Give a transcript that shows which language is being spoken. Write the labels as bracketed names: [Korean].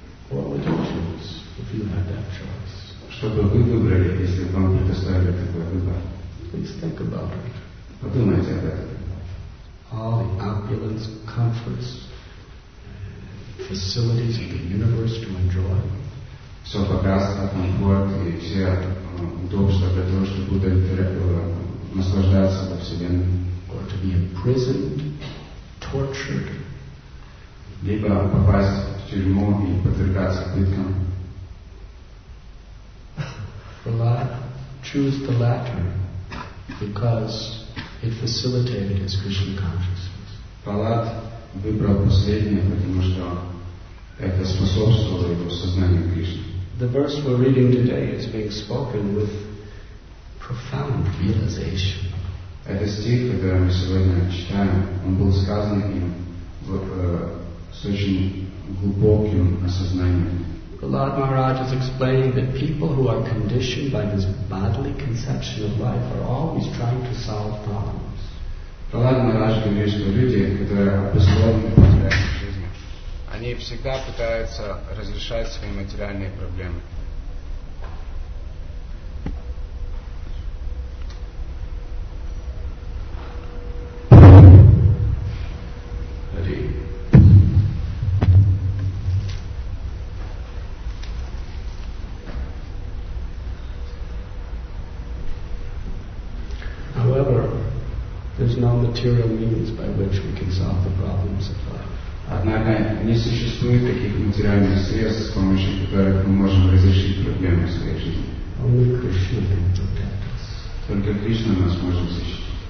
[English] What would you choose if you had that choice? [Russian] Что бы вы выбрали, если бы вам предоставили такой выбор? [English] Please think about it. [Russian] Подумайте об этом. [English] All the opulence, comforts, facilities of the universe to enjoy. [Russian] Все богатство, комфорт и все удобства для того, чтобы наслаждаться во вселенной. [English] Or to be imprisoned, tortured. [Russian] Либо попасть в тюрьму и подвергаться пыткам. [English] Prahlad chose the latter because it facilitated his Krishna consciousness. [Russian] Prahlad выбрал последнее, потому что это способствовало его сознанию Кришны. [English] The verse we're reading today is being spoken with profound realization. [Russian] Этот стих, который мы сегодня читаем, он был сказан им с очень глубоким осознанием. [English] Prahlad Maharaj is explaining that people who are conditioned by this bodily conception of life are always trying to solve problems. [Russian] Prahlad Maharaj говорит, что люди, которые обусловлены материальной жизнью, они всегда пытаются разрешать свои материальные проблемы. [English] However, there's no material means by which we can solve the problems of life. [Russian] Однако не существует таких материальных средств, с помощью которых мы можем разрешить проблемы в своей жизни. [English] Only Krishna can protect us. [Russian] Только Кришна нас может защитить.